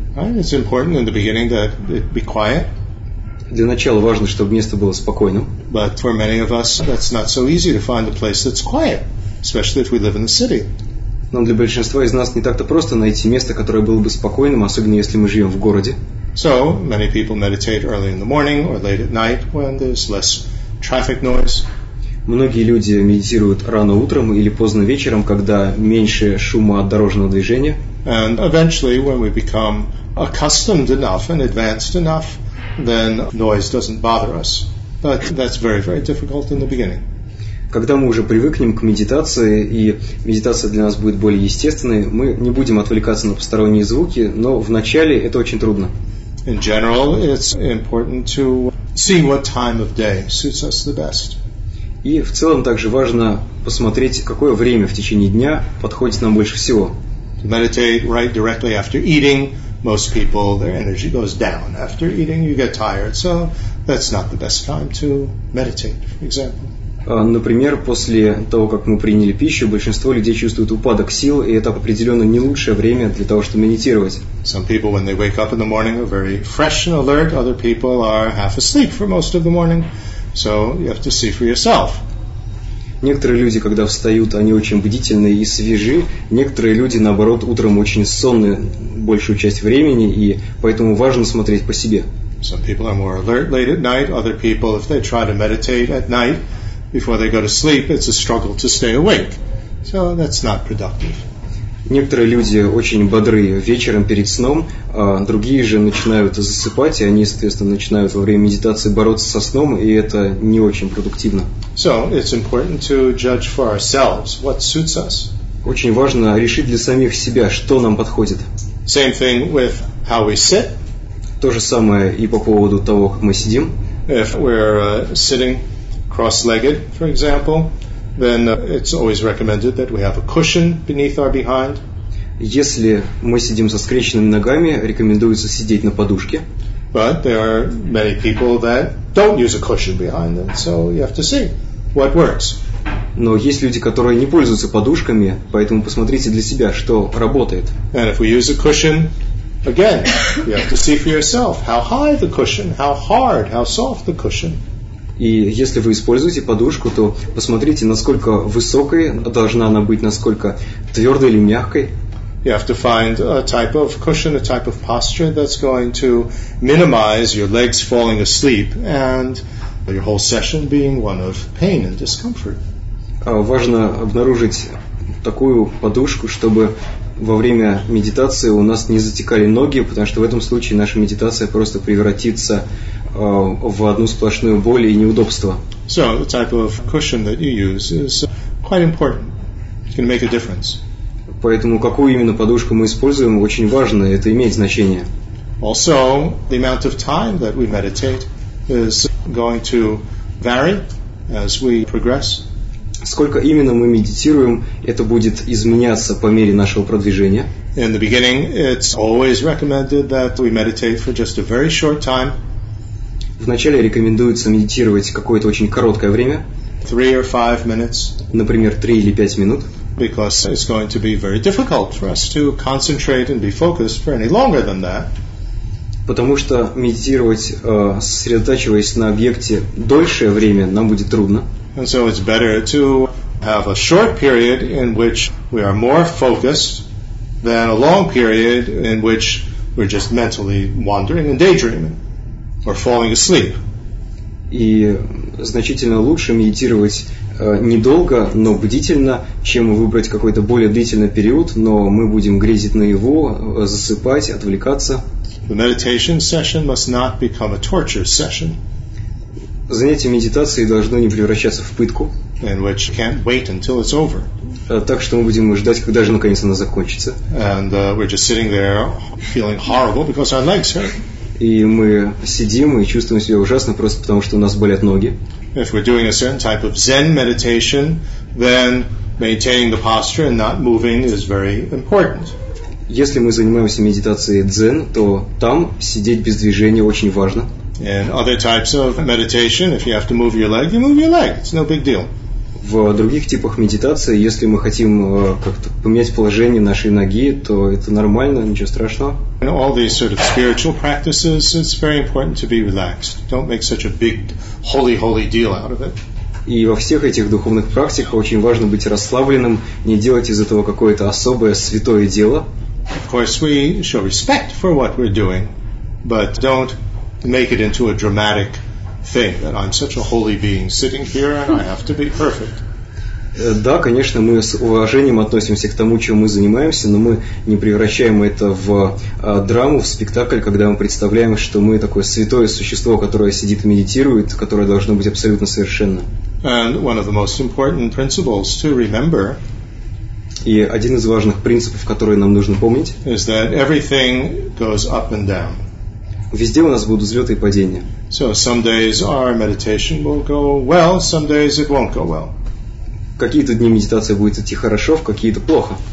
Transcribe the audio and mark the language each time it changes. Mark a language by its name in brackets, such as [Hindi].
[English] It's important in the beginning that it be quiet. [Russian] Для начала важно, чтобы место было спокойным. [English] But for many of us, that's not so easy to find a place that's quiet, especially if we live in the city. [Russian] Но для большинства из нас не так-то просто найти место, которое было бы спокойным, особенно если мы живем в городе. [English] So, many people meditate early in the morning or late at night when there's less traffic noise. [Russian] Многие люди медитируют рано утром или поздно вечером, когда меньше шума от дорожного движения. [English] And eventually, when we become accustomed enough and advanced enough, then noise doesn't bother us. But that's very, very difficult in the beginning. [Russian] Когда мы уже привыкнем к медитации, и медитация для нас будет более естественной, мы не будем отвлекаться на посторонние звуки, но вначале это очень трудно. [English] In general, it's important to see what time of day suits us the best. [Russian] И в целом также важно посмотреть, какое время в течение дня подходит нам больше всего. [English] To meditate right directly after eating, most people, their energy goes down. After eating, you get tired, so that's not the best time to meditate, for example. [Russian] Например, после того, как мы приняли пищу, большинство людей чувствуют упадок сил, и это определенно не лучшее время для того, чтобы медитировать. [English] Some people, when they wake up in the morning, are very fresh and alert. Other people are half asleep for most of the morning. So you have to see for yourself. [Russian] Некоторые люди, когда встают, они очень бдительные и свежи. Некоторые люди, наоборот, утром очень сонны большую часть времени, и поэтому важно смотреть по себе. [English] Some people are more alert late at night. Other people, if they try to meditate at night, before they go to sleep, it's a struggle to stay awake. So that's not productive. [Russian] Некоторые люди очень бодры вечером перед сном, другие же начинают засыпать, и они, соответственно, начинают во время медитации бороться со сном, и это не очень продуктивно. [English] So it's important to judge for ourselves what suits us. [Russian] Очень важно решить для самих себя, что нам подходит. [English] Same thing with how we sit. [Russian] То же самое и по поводу того, как мы сидим. [English] If we're sitting cross-legged, for example, then it's always recommended that we have a cushion beneath our behind. [Russian] Если мы сидим со скрещенными ногами, рекомендуется сидеть на подушке. [English] But there are many people that don't use a cushion behind them, so you have to see what works. [Russian] Но есть люди, которые не пользуются подушками, поэтому посмотрите для себя, что работает. [English] And if we use a cushion, again, you have to see for yourself how high the cushion, how hard, how soft the cushion. [Russian] И если вы используете подушку, то посмотрите, насколько высокой должна она быть, насколько твердой или мягкой. [English] You have to find a type of cushion, a type of posture that's going to minimize your legs falling asleep and your whole session being one of pain and discomfort. [Russian] Важно обнаружить такую подушку, чтобы во время медитации у нас не затекали ноги, потому что в этом случае наша медитация просто превратится в одну сплошную боль и неудобство. [English] So, the type of cushion that you use is quite important. It can make a difference. [Russian] Поэтому какую именно подушку мы используем, очень важно, это имеет значение. [English] Also, the amount of time that we meditate is going to vary as we progress. [Russian] Сколько именно мы медитируем, это будет изменяться по мере нашего продвижения. [English] In the beginning, it's always recommended that we meditate for just a very short time. [Russian] Вначале рекомендуется медитировать какое-то очень короткое время. [English] 3 or 5 minutes. [Russian] Например, 3 или 5 минут. [English] Because it's going to be very difficult for us to concentrate and be focused for any longer than that. [Russian] Потому что медитировать, сосредотачиваясь на объекте дольшее время, нам будет трудно. [English] And so it's better to have a short period in which we are more focused than a long period in which we're just mentally wandering and daydreaming or falling asleep. [Russian] И значительно лучше медитировать недолго, но бдительно, чем выбрать какой-то более длительный период, но мы будем грезить наяву, засыпать, отвлекаться. [English] The meditation session must not become a torture session. [Russian] Занятие медитацией должно не превращаться в пытку. [English] And which can't wait until it's over. [Russian] Так что мы будем ждать, когда же наконец она закончится. [English] And we're just sitting there feeling horrible because our legs hurt. [Russian] И мы сидим и чувствуем себя ужасно просто потому, что у нас болят ноги. [English] If we're doing a certain type of Zen meditation, then maintaining the posture and not moving is very important. [Russian] Если мы занимаемся медитацией дзен, то там сидеть без движения очень важно. [English] In other types of meditation, if you have to move your leg, you move your leg. It's no big deal. [Russian] В других типах медитации, если мы хотим как-то поменять положение нашей ноги, то это нормально, ничего страшного. [English] In all these sort of spiritual practices, it's very important to be relaxed. Don't make such a big holy, holy deal out of it. [Russian] И во всех этих духовных практиках очень важно быть расслабленным, не делать из этого какое-то особое святое дело. [English] Of course, we show respect for what we're doing, but don't make it into a dramatic thing that I'm such a holy being sitting here and I have to be perfect. [Russian] Да, конечно, мы с уважением относимся к тому, чем мы занимаемся, но мы не превращаем это в драму, в спектакль, когда мы представляем, что мы такое святое существо, которое сидит и медитирует, которое должно быть абсолютно совершенно. [English] And one of the most important principles to remember. [Russian] И один из важных принципов, который нам нужно помнить, [English] is that everything goes up and down. [Russian] Везде у нас будут взлеты и падения. [English] So some days our meditation will go well, some days it won't go well. [Russian] Какие-то дни медитация будет идти хорошо, в какие-то плохо.